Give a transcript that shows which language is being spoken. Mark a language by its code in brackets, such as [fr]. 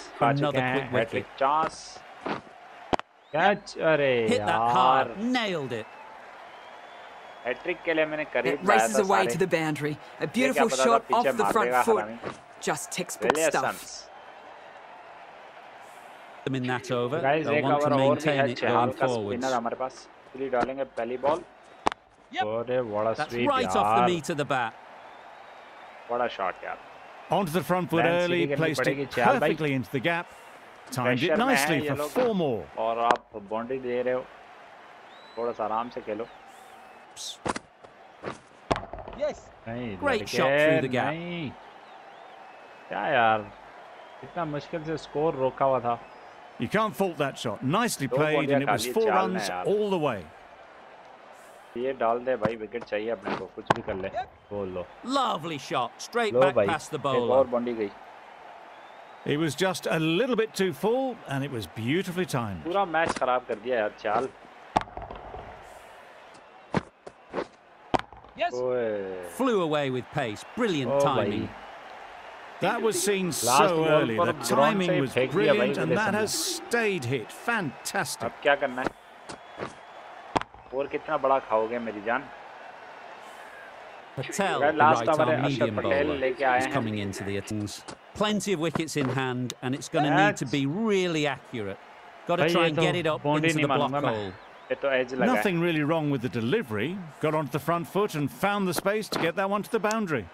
[en] another quick wicket chance catch अरे यार nailed it [hi] hat trick के लिए मैंने कर ही पाया था सारे [en] To the boundary a beautiful shot off the front foot just textbook stuff in that over. Guys, they want to maintain it going forward. [hi] Hamare paas pehli dalenge pehli ball. Ore [en] what a sweep [hi] yaar. [en] Right off the meat of the bat. What a shot yaar. Onto the front foot early, placed it perfectly into the gap. Timed it nicely for four more. [hi] Aur aap boundary de rahe ho. Thoda sa aaram se khelo. [en] Yes. Great shot through the gap. [hi] Kya yaar. Itna mushkil se score roka hua tha. [en] You can't fault that shot. Nicely played, and it was four runs all the way. [hi] ये डाल दे भाई wicket चाहिए अपने को कुछ भी कर ले बोल लो. [en] Lovely shot, straight back past the bowler. [hi] एक और बंडी गई. [en] It was just a little bit too full, and it was beautifully timed. [hi] पूरा मैच खराब कर दिया यार चाल. [en] Yes. Flew away with pace. Brilliant timing. That was seen so early. The timing was brilliant, and that has stayed hit. Fantastic. [hi] अब क्या करना है? और कितना बड़ा खाओगे मेरी जान? [en] Patel, last over, medium bowler, is coming into the innings. Plenty of wickets in hand, and it's going to need to be really accurate. Got to try and get it up into the block hole. Nothing really wrong with the delivery. Got onto the front foot and found the space to get that one to the boundary.